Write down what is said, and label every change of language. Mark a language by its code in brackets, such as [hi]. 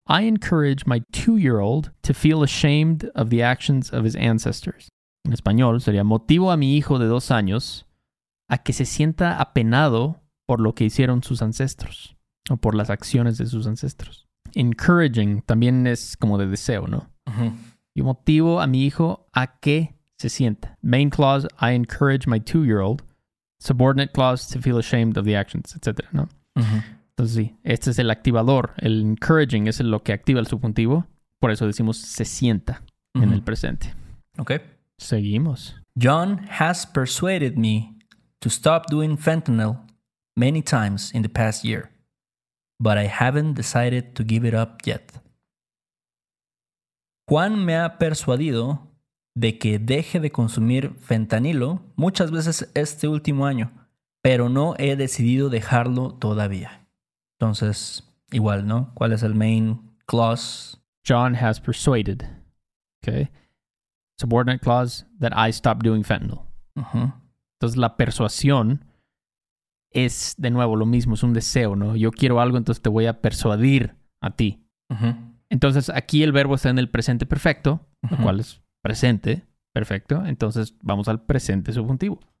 [en] I encourage my 2-year-old to feel ashamed of the actions of his ancestors. [es] En español sería, motivo a mi hijo de 2 años... a que se sienta apenado por lo que hicieron sus ancestros o por las acciones de sus ancestros. Encouraging también es como de deseo, ¿no? Uh-huh. Yo motivo a mi hijo a que se sienta. [en] Main clause, I encourage my 2-year-old. Subordinate clause, to feel ashamed of the actions, etc. [es] ¿No? Uh-huh. Entonces sí, este es el activador. El encouraging es lo que activa el subjuntivo. Por eso decimos se sienta uh-huh. en el presente. Ok. Seguimos. [en] John has persuaded me to stop doing fentanyl many times in the past year, but I haven't decided to give it up yet. [es] Juan me ha persuadido de que deje de consumir fentanilo muchas veces este último año, pero no he decidido dejarlo todavía. Entonces, igual, ¿no? ¿Cuál es el [en] main clause? John has persuaded. Okay. Subordinate clause that I stop doing fentanyl. Uh-huh. [es] Entonces, la persuasión es, de nuevo, lo mismo. Es un deseo, ¿no? Yo quiero algo, entonces te voy a persuadir a ti. Uh-huh. Entonces, aquí el verbo está en el presente perfecto, uh-huh. lo cual es presente perfecto. Entonces, vamos al presente subjuntivo.